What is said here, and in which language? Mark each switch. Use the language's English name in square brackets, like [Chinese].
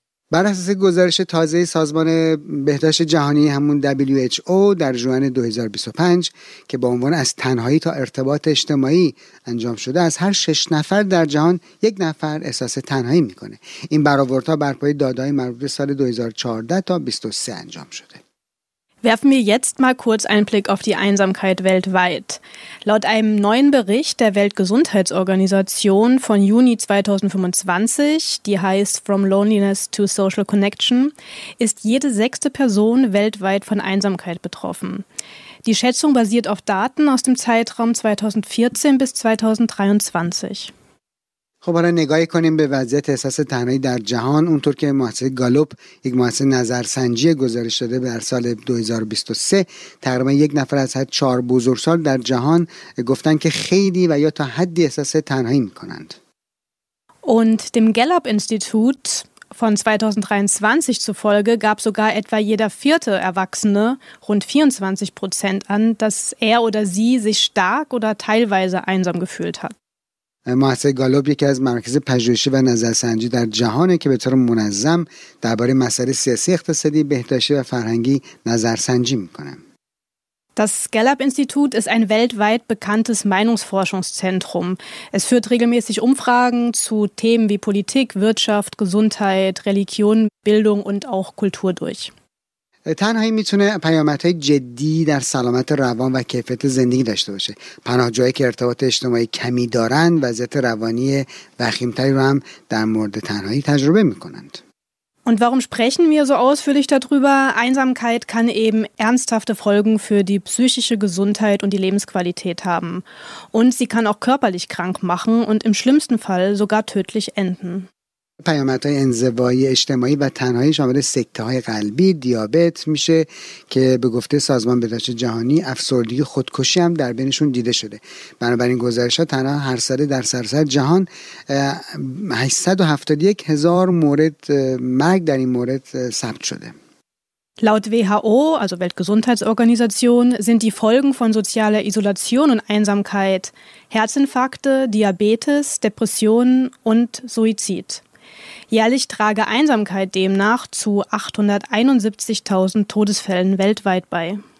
[Persian] بر اساس گزارش تازه سازمان بهداشت جهانی همون WHO در ژوئن 2025 که با عنوان از تنهایی تا ارتباط اجتماعی انجام شده، از هر 6 نفر در جهان یک نفر احساس تنهایی میکنه. این برآوردها بر پایه داده‌های مربوط به سال 2014 تا 23 انجام شده. [German] Werfen wir jetzt mal kurz einen Blick auf die Einsamkeit weltweit. Laut einem neuen Bericht der Weltgesundheitsorganisation von Juni 2025, die heißt From Loneliness to Social Connection, ist jede sechste Person weltweit von Einsamkeit betroffen. Die Schätzung basiert auf Daten aus dem Zeitraum 2014 bis 2023. [Persian] خب حالا نگاهی کنیم به وضعیت احساس تنهایی در جهان. اونطور که مؤسسه گالوب، یک مؤسسه نظرسنجی گزارش داده، در سال 2023 تقریبا یک نفر از هر 4 بزرگسال در جهان گفتن که خیلی و یا تا حدی احساس تنهایی میکنند. [German] Und dem Gallup Institut von 2023 zufolge gab sogar etwa jeder vierte Erwachsene, rund 24%, an, dass er oder sie sich stark oder teilweise einsam gefühlt hat. [Persian] مؤسسه گالوب یکی از مراکز پژوهشی و نظرسنجی در جهانه که به طور منظم درباره مسائل سیاسی، اقتصادی، بهداشتی و فرهنگی نظرسنجی میکنه. [German] Das Gallup-Institut ist ein weltweit bekanntes Meinungsforschungszentrum. Es führt regelmäßig Umfragen zu Themen wie Politik, Wirtschaft, Gesundheit, Religion, Bildung und auch Kultur durch. [Persian] تنهایی میتونه پیامدهای جدی در سلامت روان و کیفیت زندگی داشته باشه. پناهجوهایی که ارتباط اجتماعی کمی دارند وضعیت روانی وخیمتری رو هم در مورد تنهایی تجربه میکنند. [German] Und warum sprechen wir so ausführlich darüber? Einsamkeit kann eben ernsthafte Folgen für die psychische Gesundheit und die Lebensqualität haben. Und sie kann auch körperlich krank machen und im schlimmsten Fall sogar tödlich enden. [Persian] پیامدهای انزوایی اجتماعی و تنهایی شامل سکته‌های قلبی، دیابت میشه که به گفته سازمان بهداشت جهانی افسردگی، خودکشی هم در بینشون دیده شده. بنابراین گزارش‌ها تنها هر ساله در سراسر جهان 871,000 مورد مرگ در این مورد ثبت شده. [German] Laut WHO, also Weltgesundheitsorganisation, sind die Folgen von sozialer Isolation und Einsamkeit Herzinfarkte, Diabetes, Depressionen und Suizid. Jährlich trage Einsamkeit demnach zu 871,000 Todesfällen weltweit bei.